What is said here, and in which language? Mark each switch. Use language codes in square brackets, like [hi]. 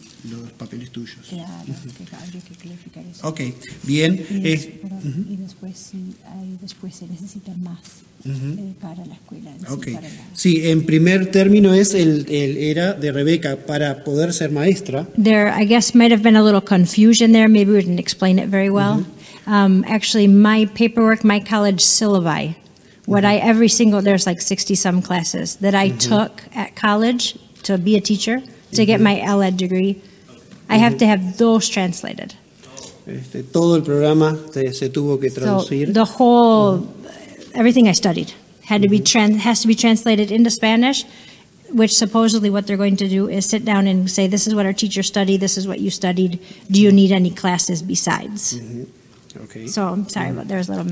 [es] Los papeles tuyos. Claro, que habría que clarificar eso. Ok, bien. Y después, si hay, después se necesita más. Para la escuela. Sí, okay. Sí, en primer término es el era de Rebeca para poder ser maestra. [en] There, I guess, might have been a little confusion there. Maybe we didn't explain it very well. Actually, my paperwork, my college syllabi, what I every single there's like 60 some classes that I took at college to be a teacher to get my LEd degree. I have to have those translated. [es] Todo el programa se tuvo que traducir. [en] So the whole. Everything I studied had to be has to be translated into Spanish, which supposedly what they're going to do is sit down and say, this is what our teacher studied, this is what you studied, do you need any classes besides? Okay. So I'm sorry, but there's a little...